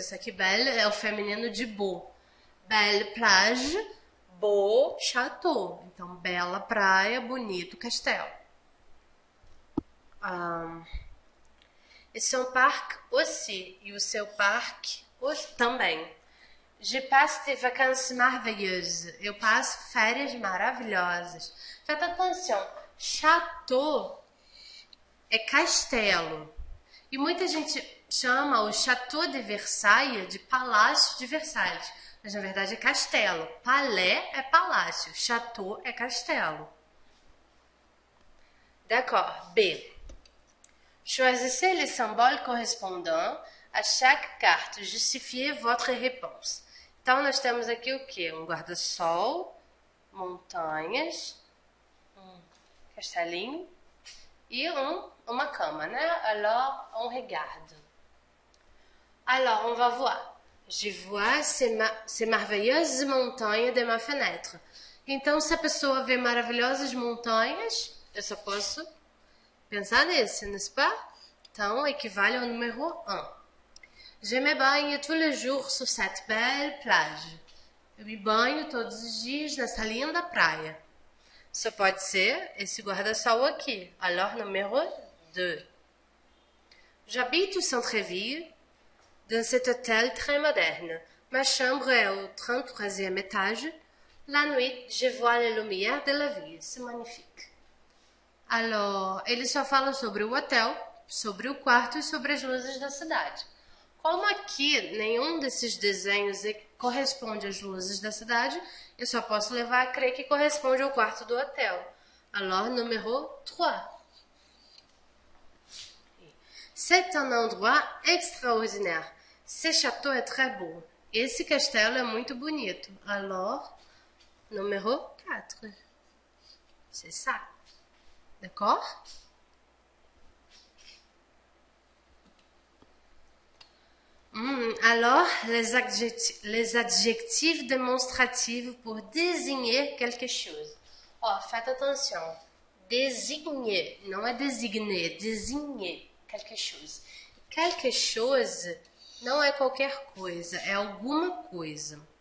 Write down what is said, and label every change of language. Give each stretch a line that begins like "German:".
Portuguese: Isso aqui, belle, é o feminino de beau.
French: Belle plage, beau château.
Portuguese: Então, bela praia, bonito castelo. Esse é um parque aussi, e o seu parque também.
French: Je passe des vacances merveilleuses.
Portuguese: Eu passo férias maravilhosas. Faz atenção, château é castelo. E muita gente chama o Château de Versailles de Palácio de Versalhes. Mas na verdade é castelo. Palais é palácio, château é castelo.
French: D'accord, B. Choisissez les symboles correspondants à chaque carte. Justifiez votre réponse.
Portuguese: Então, nós temos aqui o quê? Um guarda-sol, montanhas, castelinho e uma cama, né?
French: Alors, on regarde. Alors, on va voir. Je vois ces merveilleuses montagnes de ma fenêtre.
Portuguese: Então, se a pessoa vê maravilhosas montanhas, eu só posso pensar nesse, não é? Então, equivale ao número 1.
French: Je me baigne tous les jours sur cette belle plage.
Portuguese: Eu me banho todos os dias nessa linda praia.
French: Ça peut être
Portuguese: esse guarda-sol aqui.
French: Alors numéro 2. J'habite au centre-ville, dans cet hôtel très moderne. Ma chambre est au 33e étage. La nuit, je vois la lumière de la ville. C'est magnifique.
Portuguese: Alors, ele só fala sobre o hotel, sobre o quarto e sobre as luzes da cidade. Como aqui nenhum desses desenhos corresponde às luzes da cidade, eu só posso levar a crer que corresponde ao quarto do hotel.
French: Alors, numéro 3. C'est un endroit extraordinaire. Ce château est très beau.
Portuguese: Esse castelo é muito bonito.
French: Alors, numéro 4. C'est ça. D'accord? Alors, les adjectifs démonstratifs pour désigner quelque chose. Oh, faites attention.
Portuguese: Désigner, não é designer,
French: désigner quelque chose. Quelque chose
Portuguese: não é qualquer coisa, é alguma coisa.